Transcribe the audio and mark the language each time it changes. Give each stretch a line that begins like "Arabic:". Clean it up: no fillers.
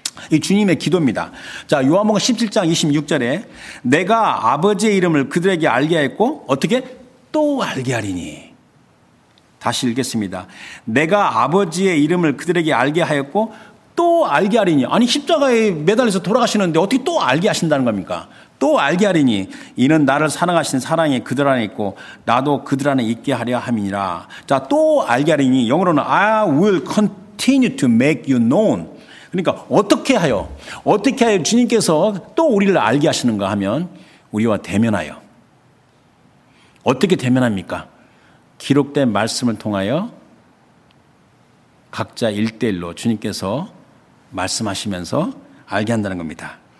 Korean: 이 주님의 기도입니다. 자, 요한복음 17장 26절에 내가 아버지의 이름을 그들에게 알게 하였고 어떻게 또 알게 하리니. 다시 읽겠습니다. 내가 아버지의 이름을 그들에게 알게 하였고 또 알게 하리니. 아니 십자가에 매달려서 돌아가시는데 어떻게 또 알게 하신다는 겁니까? 또 알게 하리니 이는 나를 사랑하신 사랑이 그들 안에 있고 나도 그들 안에 있게 하려 함이니라. 자, 또 알게 하리니 영어로는
English: I will continue to make you known.
Korean: 그러니까 어떻게 하여 주님께서 또 우리를 알게 하시는가 하면 우리와 대면하여. 어떻게 대면합니까? 기록된 말씀을 통하여 각자 일대일로 주님께서 말씀하시면서 알게 한다는 겁니다.